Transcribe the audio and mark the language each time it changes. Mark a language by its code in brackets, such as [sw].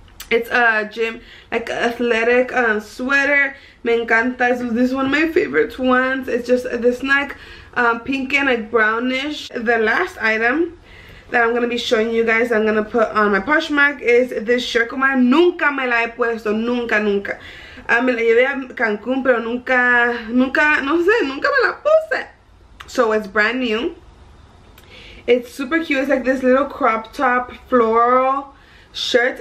[en] It's a gym, like athletic sweater. [es] Me encanta. [en] This is one of my favorite ones. It's just this Nike pink and like brownish. The last item that I'm gonna be showing you guys, I'm gonna put on my Poshmark, is this shirt. [es] Nunca me la he puesto. Nunca. Me la llevé a Cancun, pero nunca me la puse. [en] So it's brand new. It's super cute. It's like this little crop top floral shirt.